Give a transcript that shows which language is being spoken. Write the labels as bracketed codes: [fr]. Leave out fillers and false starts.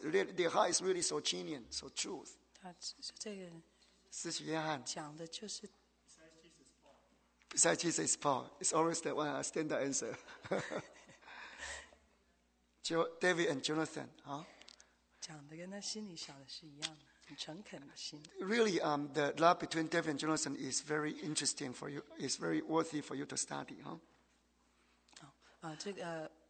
[en] Their heart is really so genuine, so truth. [zh] 他这个，四十约翰讲的就是。 [en] Besides Jesus is Paul. It's always the one standard answer. David and Jonathan, huh? [zh] 讲的跟他心里想的是一样的。 [en] Really, the love between David and Jonathan is very interesting for you. It's very worthy for you to study, huh?